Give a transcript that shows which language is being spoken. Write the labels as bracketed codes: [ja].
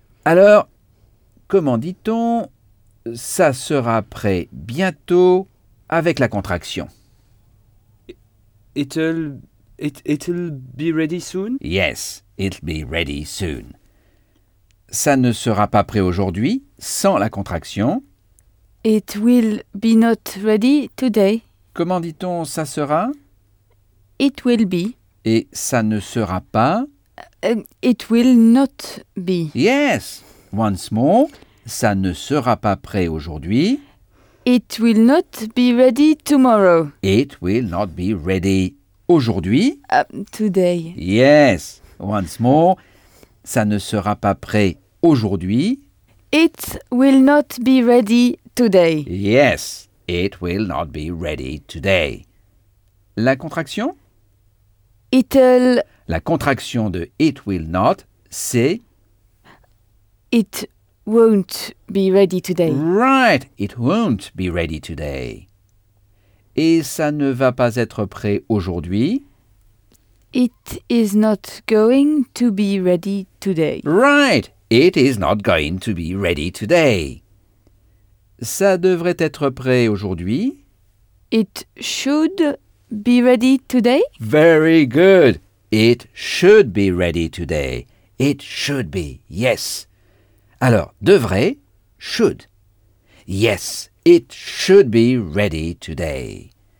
[fr] Alors, comment dit-on ça sera prêt bientôt avec la contraction? [en] It'll be ready soon? Yes, it'll be ready soon. [fr] Ça ne sera pas prêt aujourd'hui sans la contraction. [en] It will be not ready today. [fr] Comment dit-on ça sera? [en] It will be. [fr] Et ça ne sera pas? [en] It will not be. Yes. Once more, [fr] ça ne sera pas prêt aujourd'hui. [en] It will not be ready tomorrow. It will not be ready aujourd'hui. Today. Yes. Once more, [fr] ça ne sera pas prêt aujourd'hui. [en] It will not be ready today. Yes. It will not be ready today. [fr] La contraction? [en] It'll. [fr] La contraction de [en] it will not, [fr] c'est? [en] It won't be ready today. Right, it won't be ready today. [fr] Et ça ne va pas être prêt aujourd'hui? [en] It is not going to be ready today. Right, it is not going to be ready today. [fr] Ça devrait être prêt aujourd'hui? [en] It should be ready today. Very good. It should be ready today. It should be, yes. [fr] Alors, devrait, [en] should. Yes, it should be ready today.